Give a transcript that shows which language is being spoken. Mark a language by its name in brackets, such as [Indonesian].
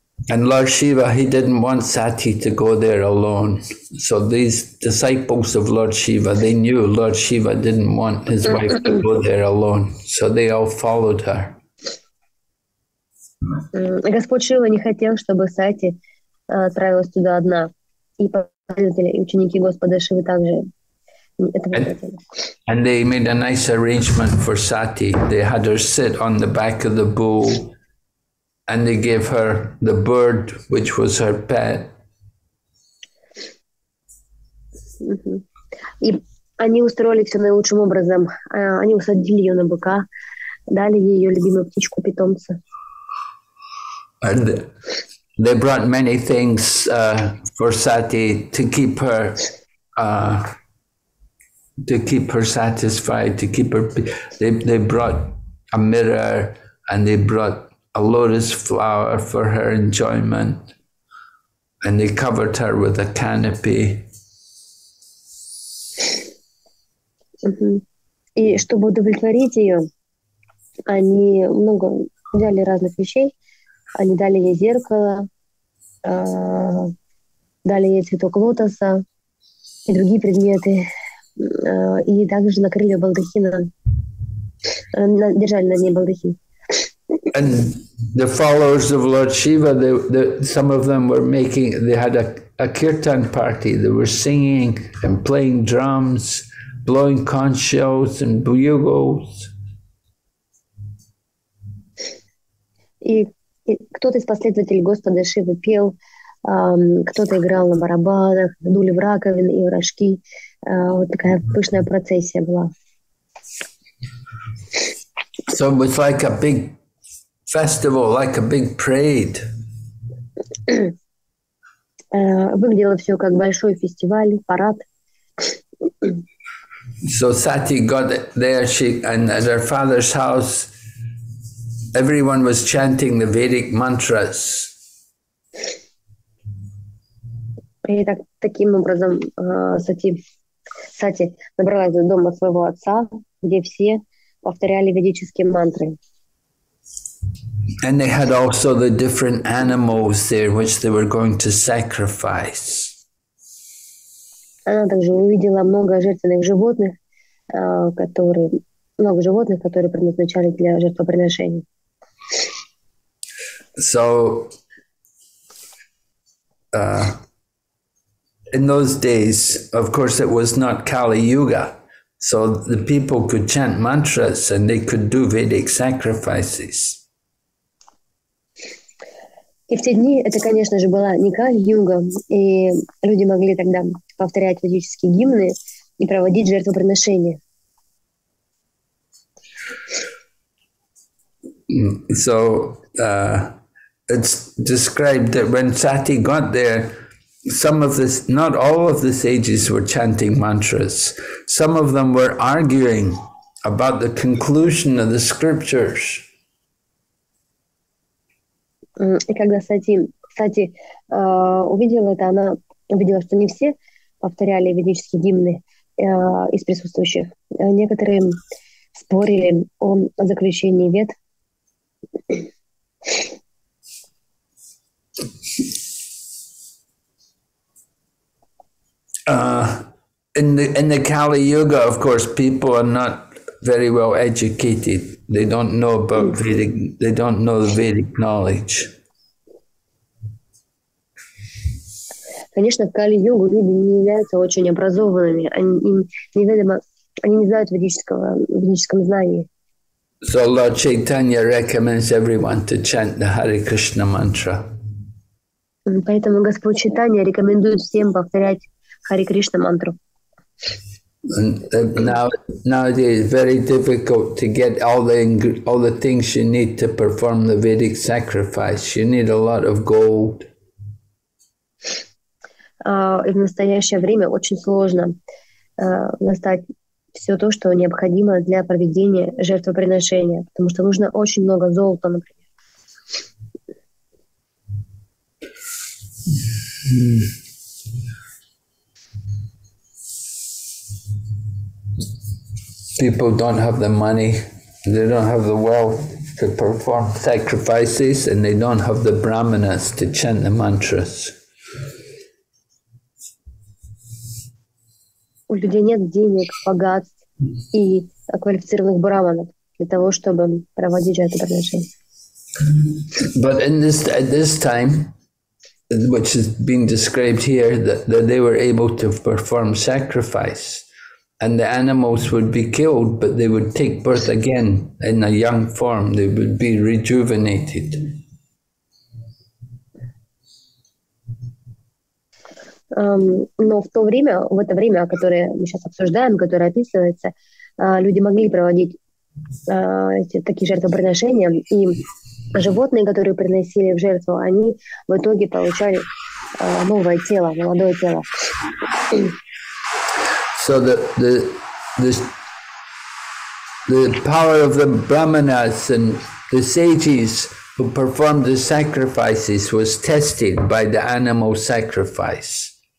[English] And Lord Shiva, he didn't want Sati to go there alone. So these disciples of Lord Shiva, they knew Lord Shiva didn't want his wife to go there alone. So they all followed her. [Russian] Господь Шива не хотел, чтобы Сати отправилась туда одна. И последователи, и ученики Господа Шивы также этого не хотели. [English] And they made a nice arrangement for Sati. They had her sit on the back of the bull. And they gave her the bird, which was her pet. [Russian] И они устроили все наилучшим образом. Они усадили ее на быка, дали ей ее любимую птичку питомца. [English] And they brought many things for Sati to keep her satisfied, to keep her. They brought a mirror, and they brought a lotus flower for her enjoyment, and they covered her with a canopy. [Russian] И чтобы удовлетворить ее, они много взяли разных вещей. Они дали ей зеркало, дали ей цветок лотоса и другие предметы, и также накрыли ее балдахином, держали над ней балдахин. [English] And the followers of Lord Shiva, some of them were making, they had a kirtan party. They were singing and playing drums, blowing conch shells and bugles. [Russian] И кто-то из последователей Господа Шивы пел, кто-то играл на барабанах, дули в раковины и в рожки. Вот такая пышная процессия была. [English] So it was like a big festival, like a big parade. [Russian] Выглядело все как большой фестиваль, парад. [English] So Sati got there, and at her father's house, everyone was chanting the Vedic mantras. [Russian] И так, таким образом, Сати набралась до дома своего отца, где все повторяли ведические мантры. [English] And they had also the different animals there, which they were going to sacrifice. [Russian] Она также увидела много жертвенных животных, которые много животных, которые предназначались для жертвоприношений. [English] So, in those days, of course, it was not Kali Yuga. So the people could chant mantras and they could do Vedic sacrifices. [Russian] И в те дни это, конечно же, была не Кали-юга, и люди могли тогда повторять ведические гимны и проводить жертвоприношения. [English] So it's described that when Sati got there, some of this, not all of the sages were chanting mantras. Some of them were arguing about the conclusion of the scriptures. [Russian] И когда Сати увидела это, она увидела, что не все повторяли ведические гимны из присутствующих. Некоторые спорили о заключении вед. [English] In the Kali Yuga, of course, people are not very well educated. They don't know about Vedic. They don't know the Vedic knowledge. [Russian] Конечно, в Кали-югу люди не являются очень образованными. Они не знают ведического знания. [English] So Lord Chaitanya recommends everyone to chant the Hare Krishna mantra. [Russian] Поэтому Господь Чайтанья рекомендует всем повторять Хари Кришна мантру. [English] Nowadays, very difficult to get all the things you need to perform the Vedic sacrifice. You need a lot of gold. [Russian] И в настоящее время очень сложно достать все то, что необходимо для проведения жертвоприношения, потому что нужно очень много золота, например. [English] People don't have the money, they don't have the wealth to perform sacrifices, and they don't have the brahmanas to chant the mantras. [Russian] У людей нет денег, богатств и квалифицированных браманов для того, чтобы проводить это приношение. [English] But in this, at this time, which is being described here, that they were able to perform sacrifice, and the animals would be killed, but they would take birth again in a young form. They would be rejuvenated. [Russian] Но в это время, которое мы сейчас обсуждаем, которое описывается, люди могли проводить такие жертвоприношения, и животные, которые приносили в жертву, они в итоге получали новое тело, молодое тело. [English] So the power of the brahmanas and the sages who performed the sacrifices was tested by the animal sacrifice.